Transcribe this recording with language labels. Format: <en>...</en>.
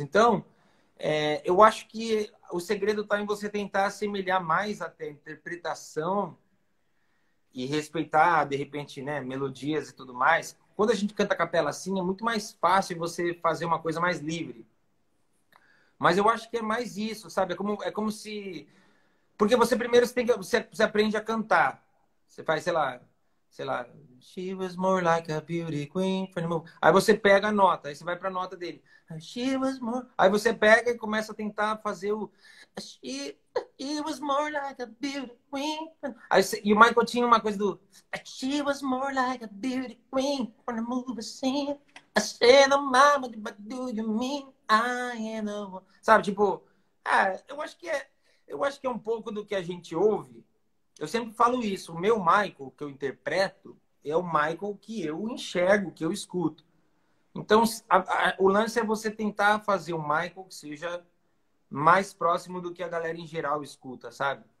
<pt>Então, eu acho que o segredo tá em você tentar assemelhar mais até a interpretação e respeitar, de repente, né, melodias e tudo mais. Quando a gente canta a capela assim, é muito mais fácil você fazer uma coisa mais livre. Mas eu acho que é mais isso, sabe? É como se... Porque você primeiro você aprende a cantar. Você faz, sei lá...</pt> <en>She was more like a beauty queen from the moon.</en> <pt>Aí você pega a nota, aí você vai pra nota dele.</pt> <en>She was more...</en> <pt>Aí você pega e começa a tentar fazer o...</pt> <en>She was more like a beauty queen.</en> <pt>E o Michael tinha uma coisa do...</pt> <en>She was more like a beauty queen from the movie scene. I said, oh, mama, but do you mean? I know.</en> <pt>Sabe, tipo, eu acho que é um pouco do que a gente ouve. Eu sempre falo isso, o meu Michael que eu interpreto é o Michael que eu enxergo, que eu escuto. Então, o lance é você tentar fazer o Michael que seja mais próximo do que a galera em geral escuta, sabe?</pt>